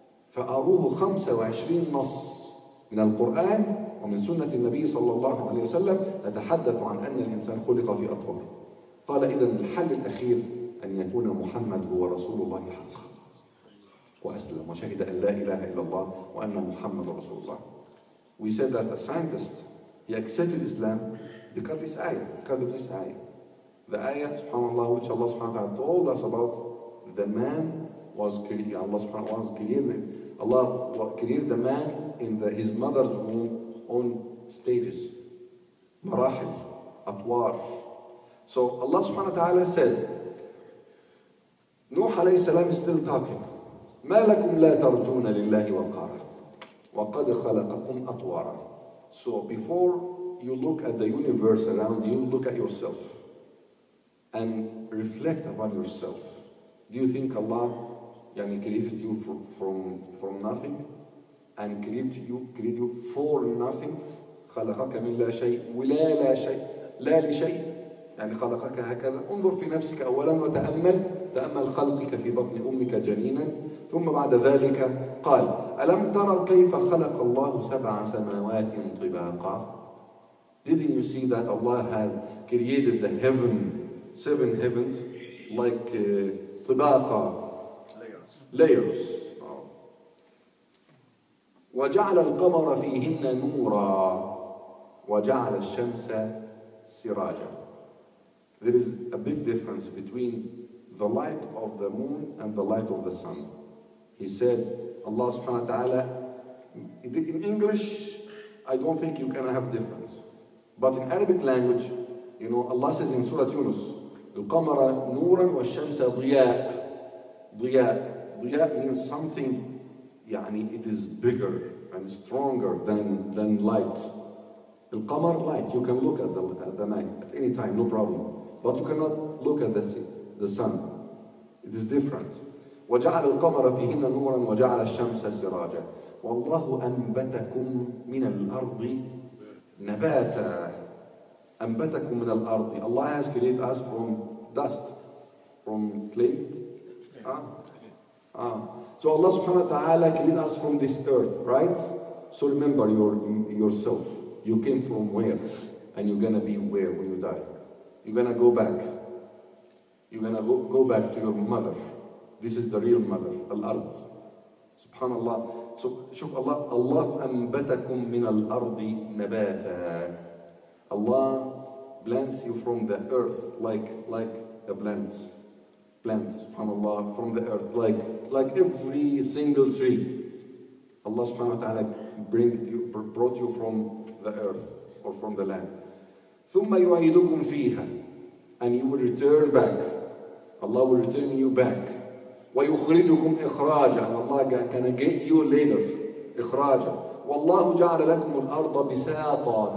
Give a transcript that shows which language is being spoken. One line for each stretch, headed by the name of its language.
Arabic: فأروه 25 نص من القرآن ومن سنة النبي صلى الله عليه وسلم تتحدث عن أن الإنسان خلق في أطوار. قال إذن الحل الأخير أن يكون محمد هو رسول الله حقا وأسلم وشهد أن لا إله إلا الله وأن محمد رسول الله.
English: We said that a scientist, he accepted Islam because this ayah, because of this ayah. The ayah, subhanAllah, which Allah subhanahu wa ta'ala told us about, the man was created, Allah subhanahu wa ta'ala was created, Allah created the man in the, his mother's womb on stages. Marahil, atwar. So Allah subhanahu wa ta'ala says, Nuh alayhi salam is still talking.
Arabic: مَا لَكُمْ لَا تَرْجُونَ لِلَّهِ وَقَارَ وَقَدْ خَلَقَكُمْ أَطْوَارًا.
English: So before you look at the universe around you, look at yourself and reflect upon yourself. Do you think Allah يعني created you from nothing and created you for nothing؟
Arabic: خلقك من لا شيء ولا لا شيء لا لشيء يعني خلقك هكذا. انظر في نفسك أولا وتأمل تأمل خلقك في بطن أمك جنينا. ثم بعد ذلك قال ألم تر كيف خلق الله سبع سماوات طباقا.
English: Didn't you see that Allah has created the heaven, seven heavens like طباقا layers.
Arabic: وجعل القمر فيهن نورا وجعل الشمس سراجا.
English: There is a big difference between the light of the moon and the light of the sun. He said, Allah subhanahu wa ta'ala, in English, I don't think you can have difference. But in Arabic language, you know, Allah says in Surah Yunus,
Arabic: الْقَمَرَ نُورًا وَالشَّمْسَ ضِيَاءً.
English: ضِيَاءً means something, يعني it is bigger and stronger than light. القمر light, you can look at the night at any time, no problem. But you cannot look at the sun. It is different.
Arabic: وجعل القمر فيهن نورا وجعل الشمس سراجا والله أنبتكم من الأرض نباتا. أنبتكم من الأرض.
English: Allah has created us from dust, from clay. So Allah
Arabic: سبحانه وتعالى
English: created us from this earth, right? So remember yourself. You came from where and you're gonna be where when you die. You're gonna go back. You're gonna go back to your mother. This is the real mother, al-ard.
Arabic: Subhanallah. So, شوف الله. Allah أنبتكم من الأرض نباتا.
English: Allah plants you from the earth, like the plants. Plants, subhanallah, from the earth, like every single tree. Allah subhanahu wa ta'ala brought you from the earth or from the land.
Arabic: ثم يعيدكم فيها.
English: And you will return back. Allah will return you back.
Arabic: ويخرجكم إخراجا.
English: Allah can get you later. إخراجا.
Arabic: والله جعل لكم الأرض بساطا.